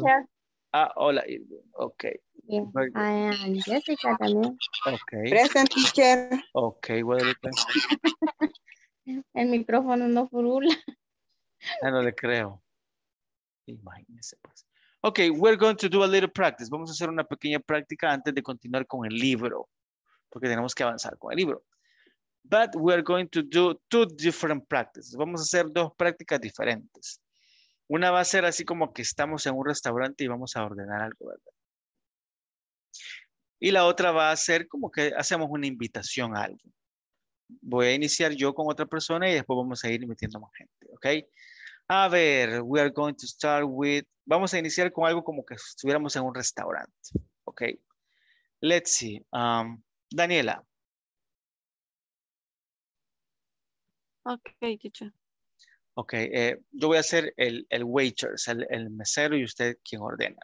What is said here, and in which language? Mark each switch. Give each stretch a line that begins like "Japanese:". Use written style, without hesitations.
English: Teacher. Ah, hola, Irving. Okay. Yes. I am Jessica también. Okay. Present, teacher. Okay, Guadalupe.
Spanish: El micrófono no furula. Ya no le creo. Imagínese pues.
English: Ok, we're going to do a little practice.
Spanish: Vamos a hacer una pequeña práctica antes de continuar con el libro. Porque tenemos que avanzar con el libro.
English: But we're going to do two different practices.
Spanish: Vamos a hacer dos prácticas diferentes. Una va a ser así como que estamos en un restaurante y vamos a ordenar algo, ¿verdad? Y la otra va a ser como que hacemos una invitación a alguien. Voy a iniciar yo con otra persona y después vamos a ir metiendo más gente, ¿ok? A ver,
English: we are going to start with...
Spanish: Vamos a iniciar con algo como que estuviéramos en un restaurante, ¿ok?
English: Let's see. Daniela. Ok, teacher.
Spanish: Ok, yo voy a ser el waiter, el mesero y usted quien ordena.